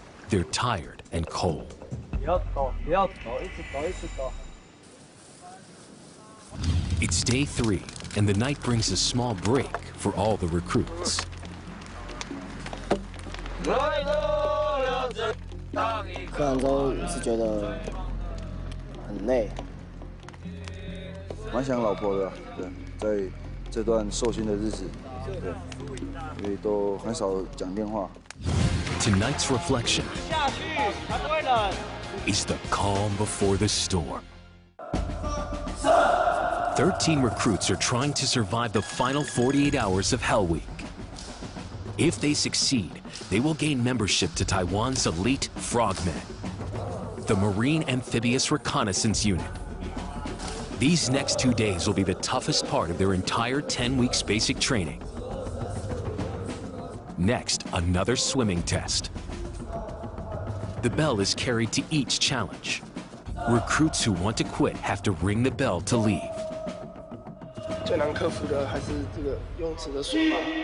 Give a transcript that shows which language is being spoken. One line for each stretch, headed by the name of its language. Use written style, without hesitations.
English: They're tired and cold. It's day three, and the night brings a small break for all the recruits.
Chinese: 课完之后也是觉得很累，蛮想老婆的，对，在这段受训的日子，对，因为都很少讲电话。
English: Tonight's reflection is the calm before the storm. 13 recruits are trying to survive the final 48 hours of Hell Week. If they succeed, they will gain membership to Taiwan's elite frogmen, the Marine Amphibious Reconnaissance Unit. These next 2 days will be the toughest part of their entire 10 weeks basic training. Next, another swimming test. The bell is carried to each challenge. Recruits who want to quit have to ring the bell to leave.
Chinese: 最难克服的还是这个泳池的水吧。